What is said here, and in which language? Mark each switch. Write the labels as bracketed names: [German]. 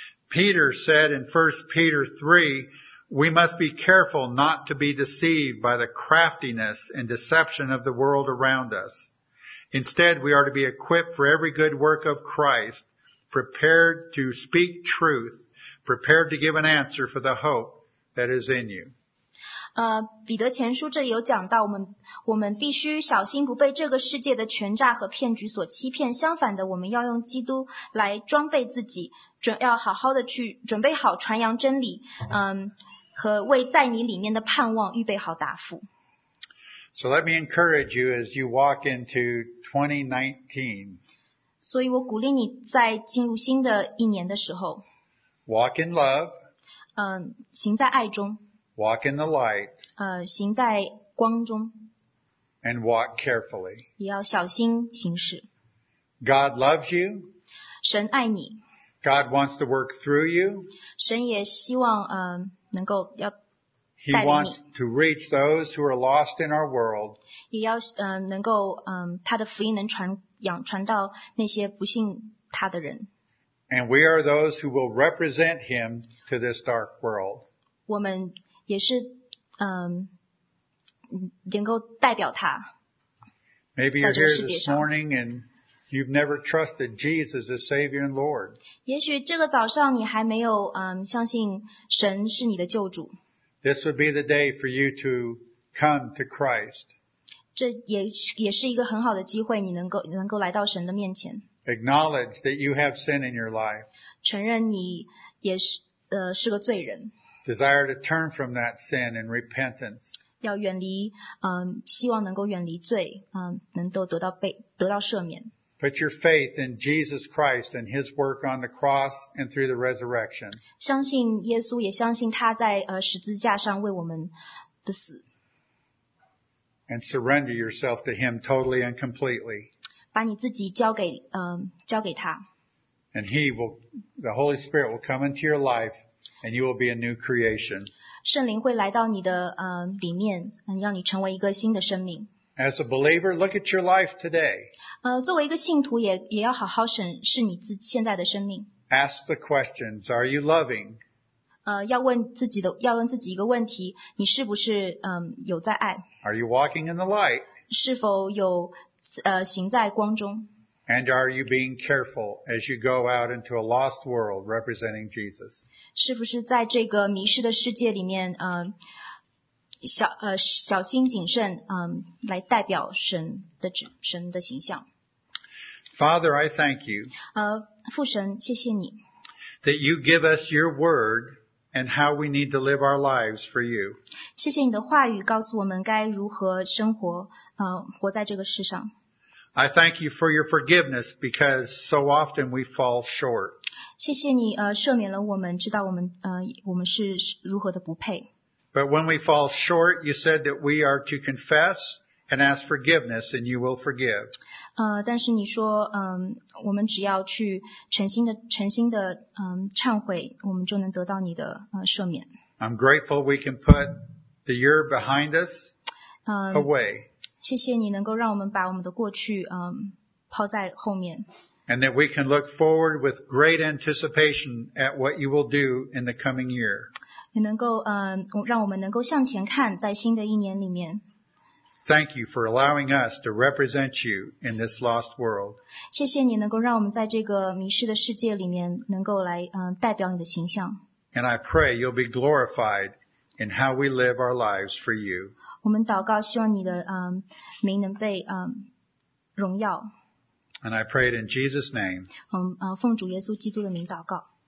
[English] Peter said in 1 Peter 3, we must be careful not to be deceived by the craftiness and deception of the world around us. Instead, we are to be equipped for every good work of Christ, prepared to speak truth, prepared to give an answer for the hope that is in you. [Chinese] 彼得前书这里有讲到我们必须小心不被这个世界的权诈和骗局所欺骗，相反的，我们要用基督来装备自己，要好好的去准备好传扬真理，和为在你里面的盼望预备好答复。 [English] So let me encourage you as you walk into 2019. [Chinese] 所以我鼓励你在进入新的一年的时候。 [English] Walk in love. [Chinese] 行在爱中。 [English] Walk in the light. [Chinese] 行在光中。 [English] And walk carefully. [Chinese] 也要小心行事。 [English] God loves you. [Chinese] 神爱你。 [English] God wants to work through you. [Chinese] 神也希望能够要 [English] He wants to reach those who are lost in our world. [Chinese] 也要能够他的福音能传到那些不信他的人。 [English] And we are those who will represent him to this dark world. [Chinese] 我们也是能够代表他。 [English] Maybe you're here this morning and you've never trusted Jesus as Savior and Lord. [Chinese] 也许这个早上你还没有相信神是你的救主。 [English] This would be the day for you to come to Christ. [Chinese] 这也是一个很好的机会，你能够来到神的面前。 [English] Acknowledge that you have sin in your life. [Chinese] 承认你也是个罪人。 [English] Desire to turn from that sin in repentance. [Chinese] 要远离，希望能够远离罪，能够得到赦免。 [English] Put your faith in Jesus Christ and His work on the cross and through the resurrection. [Chinese] 相信耶稣，也相信他在十字架上为我们的死。 [English] And surrender yourself to Him totally and completely. [Chinese] 把你自己交给他。 [English] And He will, the Holy Spirit will come into your life and you will be a new creation. [Chinese] 圣灵会来到你的里面，让你成为一个新的生命。 [English] As a believer, look at your life today. [Chinese] 作为一个信徒也要好好审视你现在的生命。 [English] Ask the questions, are you loving? [Chinese] 要问自己一个问题，你是不是有在爱？ [English] Are you walking in the light? [Chinese] 是否有行在光中？ [English] And are you being careful as you go out into a lost world representing Jesus? [Chinese] 是不是在这个迷失的世界里面小心谨慎来代表神的形象。 [English] Father, I thank you. [Chinese] 父神，谢谢你。 [English] That you give us your word and how we need to live our lives for you. [Chinese] 谢谢你的话语告诉我们该如何生活活在这个世上。 [English] I thank you for your forgiveness because so often we fall short. [Chinese] 谢谢你赦免了我们，知道我们是如何的不配。 [English] But when we fall short, you said that we are to confess and ask forgiveness and you will forgive. [Chinese] 但是你说我们只要去诚心的忏悔，我们就能得到你的赦免。 [English] I'm grateful we can put the year behind us away. [Chinese] 谢谢你能够让我们把我们的过去抛在后面。 [English] And that we can look forward with great anticipation at what you will do in the coming year. [Chinese] 能够让我们能够向前看在新的一年里面。 [English] Thank you for allowing us to represent you in this lost world. [Chinese] 谢谢你能够让我们在这个迷失的世界里面能够来代表你的形象。 [English] And I pray you'll be glorified in how we live our lives for you. [Chinese] 我们祷告希望你的名能被荣耀。 [English] And I pray it in Jesus' name. [Chinese] 奉主耶稣基督的名祷告。